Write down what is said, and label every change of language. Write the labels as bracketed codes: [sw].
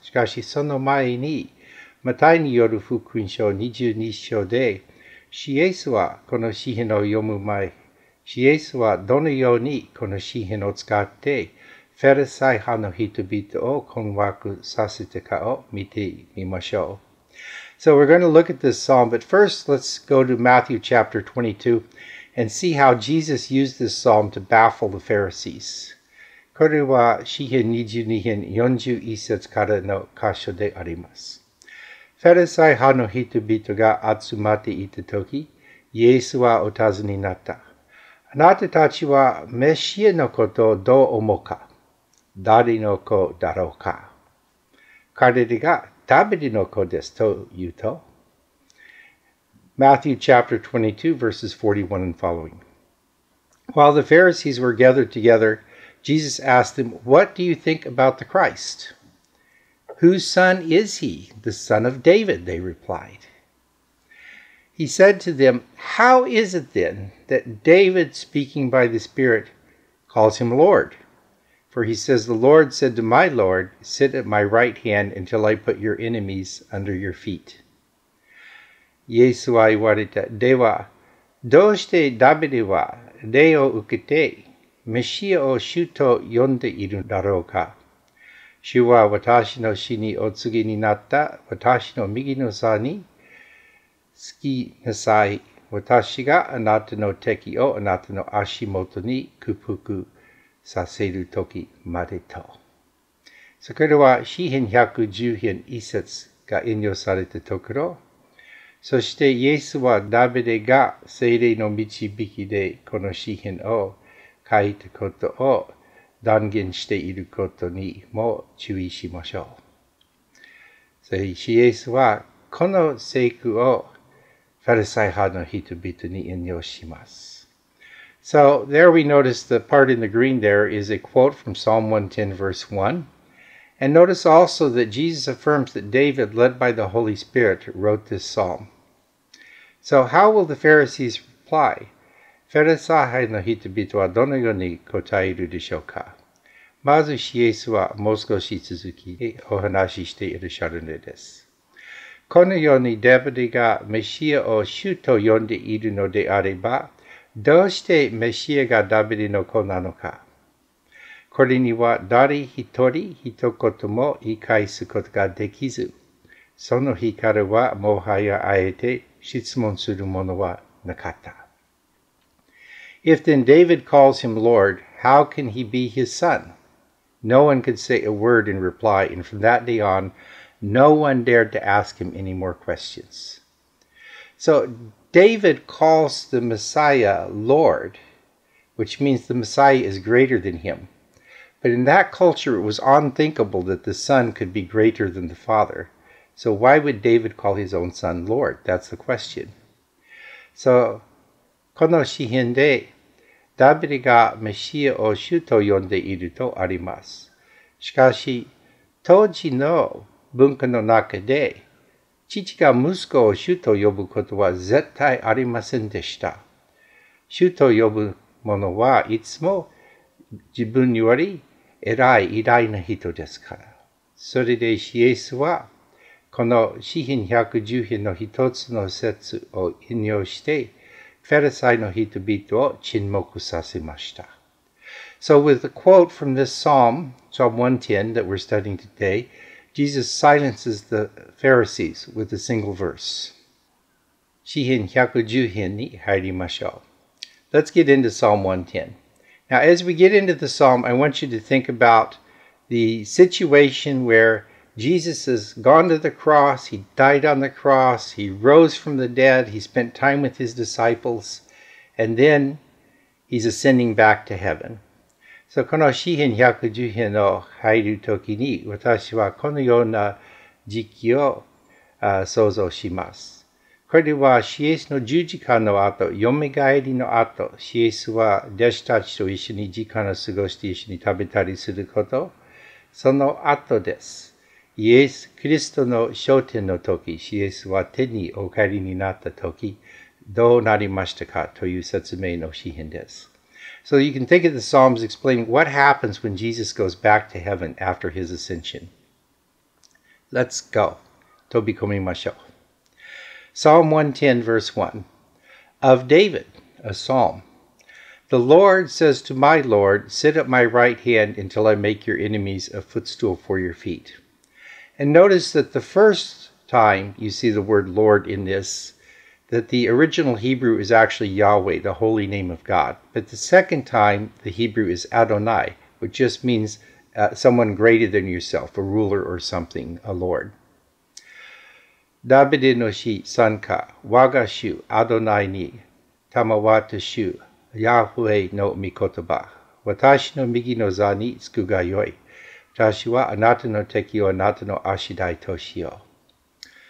[ja] しかし、その前に、マタイによる福音書22章で、シエスはこの詩編を読む前、シエスはどのようにこの詩編を使って、フェルサイ派の人々を困惑させたかを見てみましょう。 [en] So, we're going to look at this psalm, but first, let's go to Matthew chapter 22. And see how Jesus used this psalm to baffle the Pharisees. [ja] これは詩編22編41節からの箇所であります。フェリサイ派の人々が集まっていた時、イエスはお尋ねになった。あなたたちはメシアのことをどう思うか? 誰の子だろうか?彼らがダビデの子ですと言うと、 [en] Matthew chapter 22, verses 41 and following. While the Pharisees were gathered together, Jesus asked them, What do you think about the Christ? Whose son is he? The son of David, they replied. He said to them, How is it then that David, speaking by the Spirit, calls him Lord? For he says, The Lord said to my Lord, Sit at my right hand until I put your enemies under your feet. [ja] イエスは言われた。では、どうしてダビデは霊を受けてメシアを主と呼んでいるだろうか。主は私の死にお告げになった私の右の座に着きなさい。私があなたの敵をあなたの足元に屈服させる時までと。そこでは詩編110編1節が引用されたところ、そしてイエスはダビデが聖霊の導きでこの詩編を書いたことを断言していることにも注意しましょう。そしてイエスはこの聖句をファリサイ派の人々に引用します。 [en] So there we notice the part in the green there is a quote from Psalm 110 verse 1. And notice also that Jesus affirms that David, led by the Holy Spirit, wrote this psalm. So how will the Pharisees reply? [ja] ファリサイ派の人々はどのように答えるでしょうか？まずイエスはもう少し続きお話ししていらっしゃるのです。このようにダビデがメシアを主と呼んでいるのであれば、どうしてメシアがダビデの子なのか？これには誰一人一言も言い返すことができず、その日からはもはやあえて質問するものはなかった。 [en] If then David calls him Lord, how can he be his son? No one could say a word in reply, and from that day on, no one dared to ask him any more questions. So David calls the Messiah Lord, which means the Messiah is greater than him. But in that culture, it was unthinkable that the son could be greater than the father. So why would David call his own son Lord? That's the question. [ja] So, この詩編で、ダビデがメシアを主と呼んでいるとあります。しかし、当時の文化の中で、父が息子を主と呼ぶことは絶対ありませんでした。主と呼ぶ者はいつも自分より偉い偉大な人ですから。それでイエスは、この詩編110編の一つの節を引用して、ファリサイの人々を沈黙させました。 [en] So with the quote from this psalm, Psalm 110 that we're studying today, Jesus silences the Pharisees with a single verse. [ja] 詩編110編に入りましょう。 [en] Let's get into Psalm 110. Now as we get into the psalm, I want you to think about the situation where Jesus has gone to the cross, he died on the cross, he rose from the dead, he spent time with his disciples, and then he's ascending back to heaven. [ja] So, この詩編110編を入るときに、私はこのような時期を想像します。これはイエスの十字架の後、よみがえりの後、イエスは弟子たちと一緒に時間を過ごして一緒に食べたりすること、その後です。イエス・キリストの昇天の時、イエスは天にお帰りになった時、どうなりましたかという説明の詩編です。 [en] So you can think of the Psalms explaining what happens when Jesus goes back to heaven after his ascension. Let's go. [ja] 飛び込みましょう。 [en] Psalm 110 verse 1. Of David, a psalm. The Lord says to my Lord, sit at my right hand until I make your enemies a footstool for your feet. And notice that the first time you see the word Lord in this, that the original Hebrew is actually Yahweh, the holy name of God. But the second time, the Hebrew is Adonai, which just means someone greater than yourself, a ruler or something, a Lord. [ja] ダビデの詩賛歌、我が主アドナイに、賜った主ヤウェの御言葉、私の右の座に着くがよい。私はあなたの敵をあなたの足台としよう。